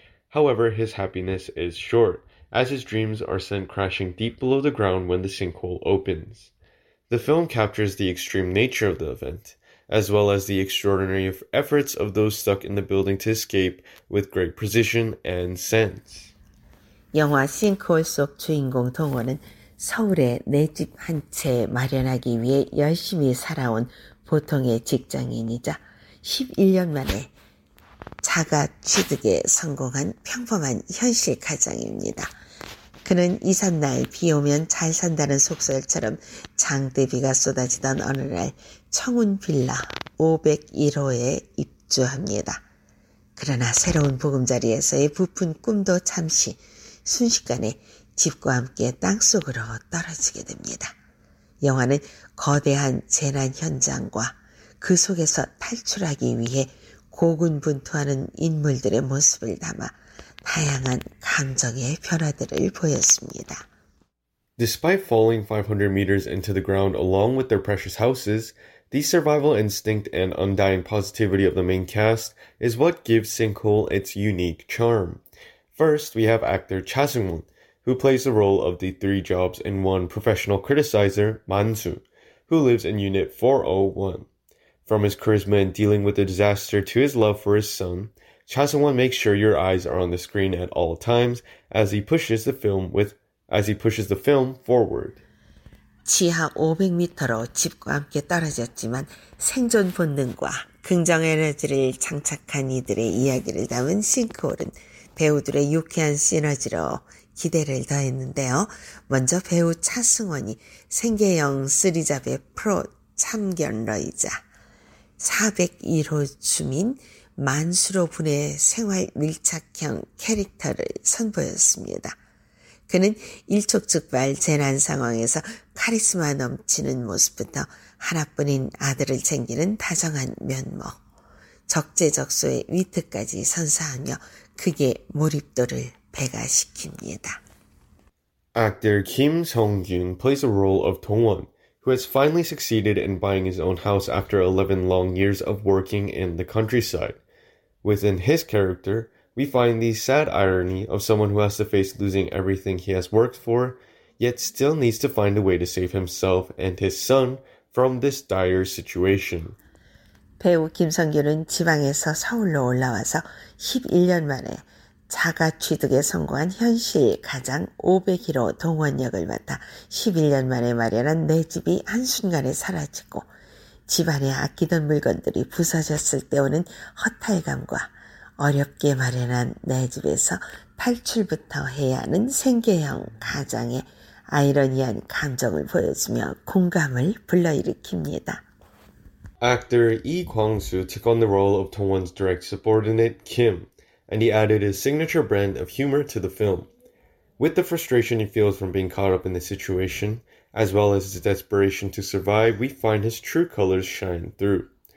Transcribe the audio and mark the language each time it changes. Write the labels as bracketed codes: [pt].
[en] However, his happiness is short, as his dreams are sent crashing deep below the ground when the sinkhole opens. The film captures the extreme nature of the event, as well as the extraordinary efforts of those stuck in the building to escape with great precision and sense. [ko] 영화 싱크홀 속 주인공 동원은 서울에 내 집 한 채 마련하기 위해 열심히 살아온 보통의 직장인이자 11년 만에 자가 취득에 성공한 평범한 현실 가장입니다. 그는 이삿날 비 오면 잘 산다는 속설처럼 장대비가 쏟아지던 어느 날 청운 빌라 501호에 입주합니다. 그러나 새로운 보금자리에서의 부푼 꿈도 잠시 순식간에 집과 함께 땅속으로 떨어지게 됩니다. 영화는 거대한 재난 현장과 그 속에서 탈출하기 위해 고군분투하는 인물들의 모습을 담아 다양한 감정의 변화들을 보였습니다. [en] Despite falling 500 meters into the ground along with their precious houses, the survival instinct and undying positivity of the main cast is what gives Sinkhole its unique charm. First, we have actor Cha Seung-won, who plays the role of the three jobs in one professional criticizer, Man-soo, who lives in Unit 401. From his charisma in dealing with the disaster to his love for his son, Cha Seung-won makes sure your eyes are on the screen at all times as he pushes the film forward. [ko] 지하 500m로 집과 함께 떨어졌지만 생존 본능과 긍정 에너지를 장착한 이들의 이야기를 담은 싱크홀은 배우들의 유쾌한 시너지로 기대를 더했는데요. 먼저 배우 차승원이 생계형 쓰리잡의 프로 참견러이자 401호 주민 만수로 분의 생활 밀착형 캐릭터를 선보였습니다. 그는 일촉즉발 재난 상황에서 카리스마 넘치는 모습부터 하나뿐인 아들을 챙기는 다정한 면모, 적재적소의 위트까지 선사하며 극의 몰입도를 배가시킵니다. [en] Actor Kim Seong-jun plays the role of Dong-won, who has finally succeeded in buying his own house after 11 long years of working in the countryside. Within his character, we find the sad irony of someone who has to face losing everything he has worked for, yet still needs to find a way to save himself and his son from this dire situation. [ko] 배우 김성균은 지방에서 서울로 올라와서 11년 만에 자가 취득에 성공한 현실 가장 501호 동원 역을 맡아 11년 만에 마련한 내 집이 한순간에 사라지고 집안에 아끼던 물건들이 부서졌을 때 오는 허탈감과 어렵게 마련한 내 집에서 탈출부터 해야 하는 생계형 가장의 아이러니한 감정을 보여주며 공감을 불러일으킵니다. [en] Actor Lee Kwang-soo took on the role of Dong-won's direct subordinate Kim, and he added his signature brand of humor to the film. With the frustration he feels from being caught up in the situation, as well as his desperation to survive, we find his true colors shine through.